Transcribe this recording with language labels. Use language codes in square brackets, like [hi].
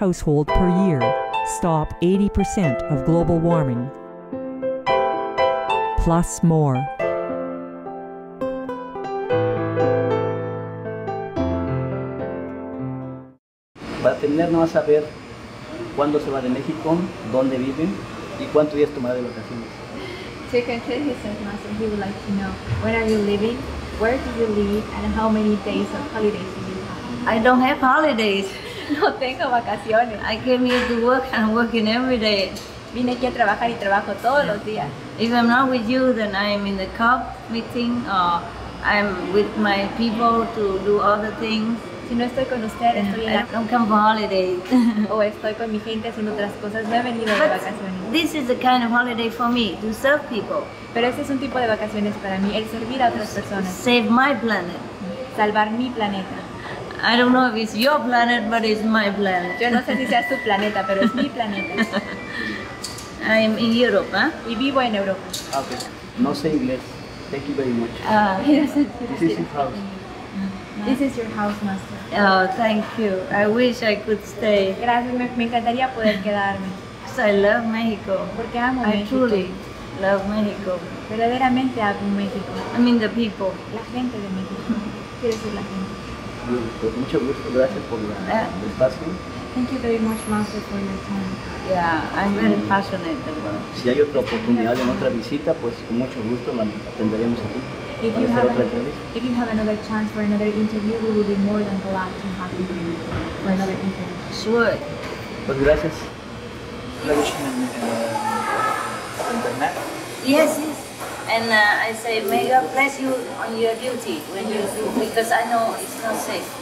[en] household per year, stop 80% of global warming, plus more. [es] Para tener no a saber cuándo se va de México, dónde viven y cuántos días tomará de vacaciones. [en] To conclude, he says, Master, he would like to know when are you leaving, where do you leave, and how many days of holidays do you have? I don't have holidays. [es] No tengo vacaciones. [en] I came here to work and I'm working every day. [es] Vine aquí a trabajar y trabajo todos los días. [en] If I'm not with you, then I'm in the COP meeting or I'm with my people to do other things. [es] Si no estoy con usted, estoy en la... [en] I don't come for holidays. [es] O estoy con mi gente haciendo otras cosas. No he venido de vacaciones. [en] This is the kind of holiday for me, to serve people. [es] Pero ese es un tipo de vacaciones para mí, el servir a otras personas. [en] Save my planet. [es] Salvar mi planeta. [en] I don't know if it's your planet, but it's my planet. [es] Yo no sé si sea su planeta, pero es mi planeta. [en] I am in Europe, [es] Y vivo en Europa. [en] Okay. [es] No sé inglés. [en] Thank you very much. This is your house, master. Oh, thank you. I wish I could stay. [es] Gracias, me encantaría poder quedarme. [en] Because I love Mexico. [es] Porque amo [en] México. I truly love Mexico. [es] Verdaderamente amo México. [en] I mean the people. [es] La gente de México. Quiero decir la gente. Pues mucho gusto. Gracias por el espacio. [en] Thank you very much, master, for your time. Yeah, I'm very passionate about it. [es] Si hay otra oportunidad en otra visita, pues con mucho gusto la atenderemos aquí. [en] If you have another chance for another interview, we will be more than glad to have you here for another interview. Sure. [es] Pues gracias. [en] Yes, yes. And I say, may God bless you on your duty when you do, because I know it's not safe.